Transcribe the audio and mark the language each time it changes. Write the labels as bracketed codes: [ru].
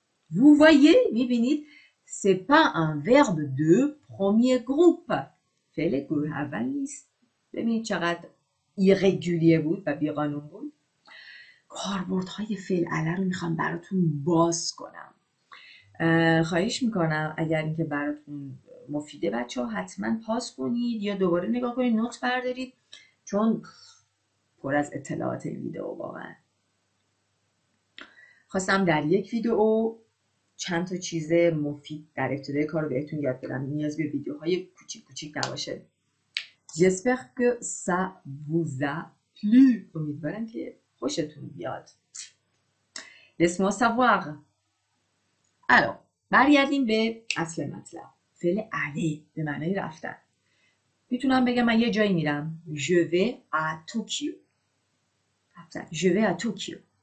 [fr] Vous voyez, [fa] میبینید. [fr] C'est pas un verbe de premier groupe. [fa] فعله گروه اول نیست. ببینید چقدر ایرگولیه بود و بیقانون بود. کاربورد های فعل اله رو میخوام براتون باز کنم. خواهش میکنم اگر اینکه براتون مفیده بچه ها حتما پاس کنید یا دوباره نگاه کنید، نوت بردارید، چون پر از اطلاعات این ویدئو. واقعا خواستم در یک ویدئو چند تا چیز مفید در ابتدای کار رو بهتون یاد بدم. نیاز به ویدیوهای کوچیک کوچیک نباشه. [fr] J'espère que ça vous a plu. [fa] امیدوارم که خوشتون بیاد. [fr] Laisse-moi savoir. [fa] Alors, برگردیم به اصل مطلب. فعل اله به معنی رفتن. میتونم بگم من یه جایی میرم. [fr] Je vais à Tokyo. [fa] رفتن. [fr] Je vais à Tokyo.